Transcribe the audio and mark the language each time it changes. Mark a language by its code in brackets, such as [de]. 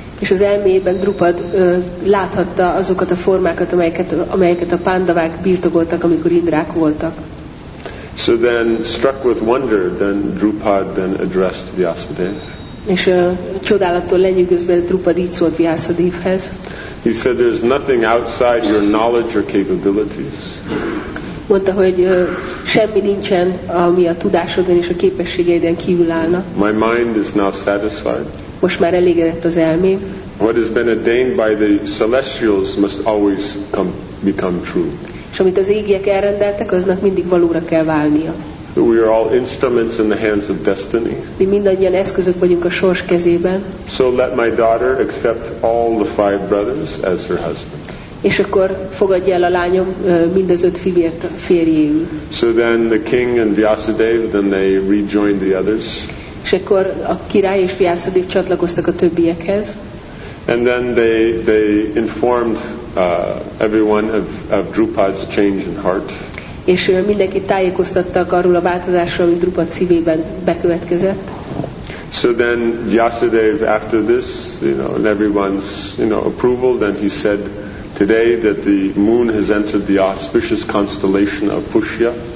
[hu] És az elméjében Drupad láthatta azokat a formákat, amelyeket a Pandavák birtokoltak, amikor Indrák voltak. [en] So then, struck with wonder, then Drupad then addressed Vyasadeva. [hu] És csodálattól lenyűgözve Drupad így szólt Vyasadevhez. [en] He said, there's nothing outside your knowledge or capabilities. [hu] Mondta, hogy semmi nincsen, ami a tudásodon és a képességeiden kívül állna. [en] My mind is now satisfied. [hu] Most már elégedett az elmém. [en] What has been ordained by the celestials must always become true. [hu] És amit az égiek elrendeltek, aznak mindig valóra kell válnia. [en] We are all instruments in the hands of destiny. [hu] Mi mindannyian eszközök vagyunk a sors kezében. [en] So let my daughter accept all the 5 brothers as her husband. [hu] És akkor fogadja el a lányom mindaz 5 fivért férjéül. [en] So then the king and Vyasadeva, then they rejoined the others. [hu] És akkor a király és Vyasadeva csatlakoztak a többiekhez. [en] And then they informed everyone of Drupad's change in heart. [hu] És mindenkit tájékoztattak arról a változásról, ami Drupad szívében bekövetkezett. [en] So then Vyasadeva, after this, you know, and everyone's, you know, approval, then he said, today that the moon has entered the auspicious constellation of Pushya.